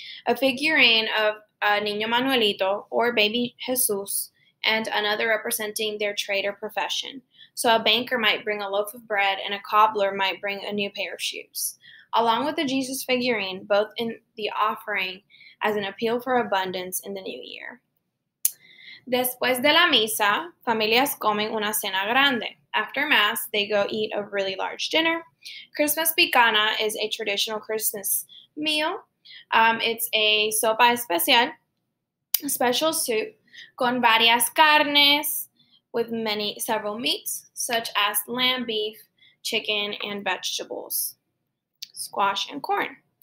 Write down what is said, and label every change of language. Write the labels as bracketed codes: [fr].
[en] A figurine of Niño Manuelito, or Baby Jesus, and another representing their trade or profession. So a banker might bring a loaf of bread, and a cobbler might bring a new pair of shoes. Along with the Jesus figurine, both in the offering as an appeal for abundance in the new year. [es] Después de la misa, familias comen una cena grande. [en] After Mass, they go eat a really large dinner. Christmas picana is a traditional Christmas meal. It's a [es] sopa especial, [en] a special soup, [es] con varias carnes, [en] with many several meats, such as lamb, beef, chicken, and vegetables, squash, and corn.